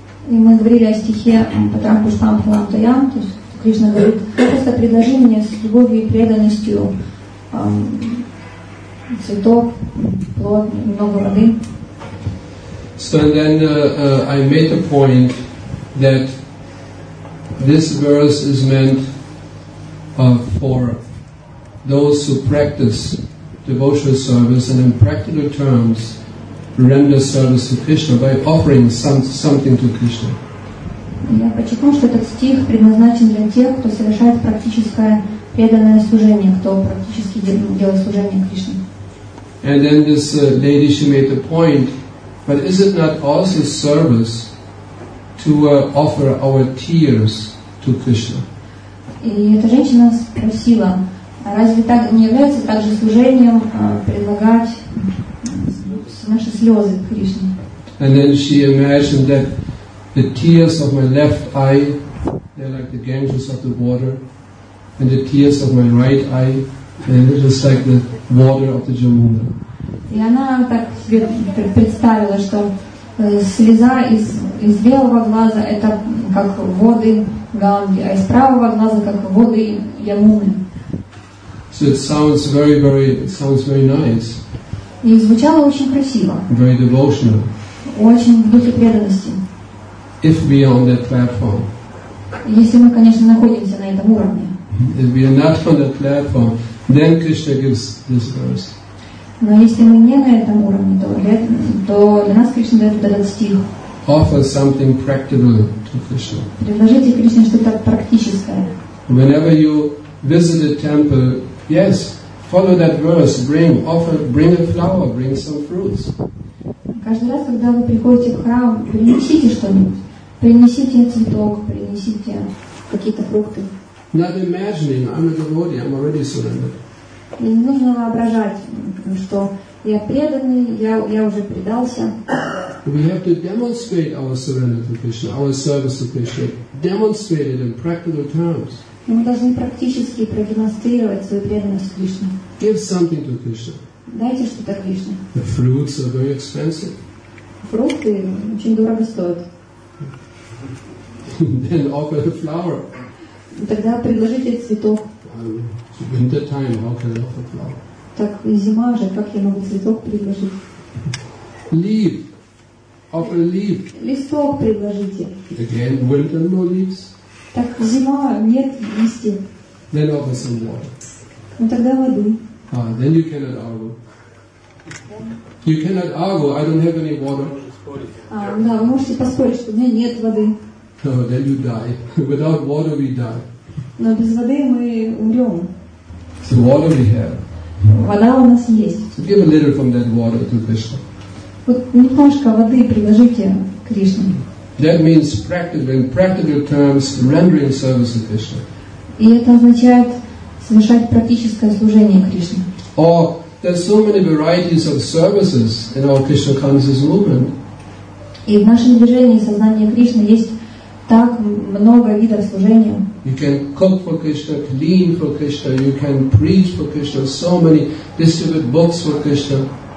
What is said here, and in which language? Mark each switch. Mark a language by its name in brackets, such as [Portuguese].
[Russian] И мы говорили о стихе [Sanskrit] Патрам Пушпам Палам Таям, [Russian] то есть Кришна говорит, просто предложи мне с любовью и преданностью цветок, плод, много воды. [English] So then I made a point that this verse is meant for those who practice devotional service and in practical terms render service to Krishna by offering something to Krishna. [Russian] Я подчеркнул, что этот стих предназначен для тех, кто совершает практическое преданное служение, кто практически делает служение Кришне. [English] And then this lady, she made the point, but is it not also service to offer our tears to Krishna? [Russian] И эта женщина спросила, разве так не является также служением предлагать наши слезы Кришне? [English] And then she imagined that the tears of my left eye, they're like the Ganges of the water, and the tears of my right eye, they're just like the water of the Jamuna. [Russian] И она так представила, что слеза из левого глаза это как воды Ганги, а из правого глаза как воды Ямуны. [English] So it sounds very nice. [Russian] И звучало очень красиво. [English] Very devotional. [Russian] Очень в духе преданности. [English] If we are on that platform. [Russian] Если мы, конечно, находимся на этом уровне. [English] If we are not on that platform, then Krishna gives this verse. [Russian] Но если мы не на этом уровне, то для нас Кришна дает этот стих. [English] Offer something practical to Krishna. [Russian] Предложите Кришне что-то практическое. [English] Whenever you visit a temple, yes. Follow that verse. Bring a flower. Bring some fruits. [Russian] Каждый раз, когда вы приходите в храм, принесите что-нибудь. Принесите цветок. Принесите какие-то фрукты. [English] Not imagining. I'm a devotee. I'm already surrendered. [Russian] И не нужно воображать, что я преданный. Я уже предался. [English] We have to demonstrate our surrender to Krishna, our service to Krishna. Demonstrate it in practical terms. [Russian] Но мы должны практически продемонстрировать свою преданность Кришне. [English] Give something to Krishna. [Russian] Дайте что-то Кришне. [English] The fruits are very expensive. [Russian] Фрукты очень дорого стоят. [English] Then offer a flower. [Russian] Тогда предложите цветок. [English] It's winter time, how can I offer a flower? [Russian] Так зима же, как я могу цветок предложить? [English] Leaf. Offer a leaf. [Russian] Листок предложите. [English] Again, winter, no leaves. [Russian] Так зима, нет листьев. [English] Then offer some water. [Russian] Ну тогда воды. [English] Ah, then you cannot argue. Yeah. You cannot argue. I don't have any water. [Russian] Да, вы можете поспорить, что у меня нет воды. [English] No, then you die. Without water, we die. [Russian] Но без воды мы умрем. [English] So water we have. [Russian] Вода у нас есть. [English] Give a little from that water to Krishna. [Russian] Вот немножко воды приложите Кришне. [English] That means practically, in practical terms, rendering service to Krishna. [Russian] И это означает совершать практическое служение Кришне. [English] Or there's so many varieties of services in our Krishna consciousness movement. [Russian] И в нашем движении сознания Кришны есть так много видов служения. [English] You can cook for Krishna, clean for Krishna, you can preach for Krishna, so many distribute books for Krishna.